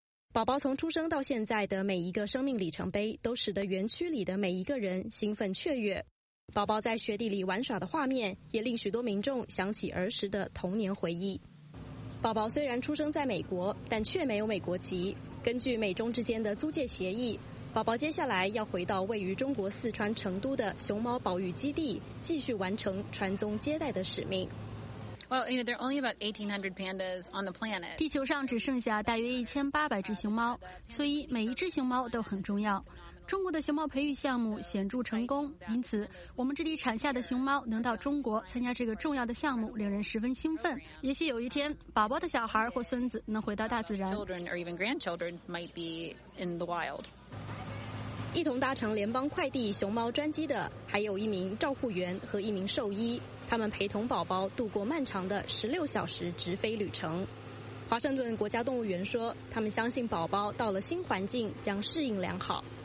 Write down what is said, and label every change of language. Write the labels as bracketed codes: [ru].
[zh] 宝宝从出生到现在的每一个生命里程碑都使得园区里的每一个人兴奋雀跃，宝宝在雪地里玩耍的画面也令许多民众想起儿时的童年回忆。宝宝虽然出生在美国，但却没有美国籍，根据美中之间的租借协议，宝宝接下来要回到位于中国四川成都的熊猫保育基地，继续完成传宗接代的使命。 [en] Well, you know, there are only about 1,800 pandas on the planet. [zh] 地球上只剩下大约1800只熊猫，所以每一只熊猫都很重要。中国的熊猫培育项目显著成功，因此我们这里产下的熊猫能到中国参加这个重要的项目，令人十分兴奋。也许有一天，宝宝的小孩或孙子能回到大自然。 [en] Children or even grandchildren might be in the wild. [zh] 一同搭乘联邦快递熊猫专机的还有一名照护员和一名兽医，他们陪同宝宝度过漫长的16小时直飞旅程。华盛顿国家动物园说，他们相信宝宝到了新环境将适应良好。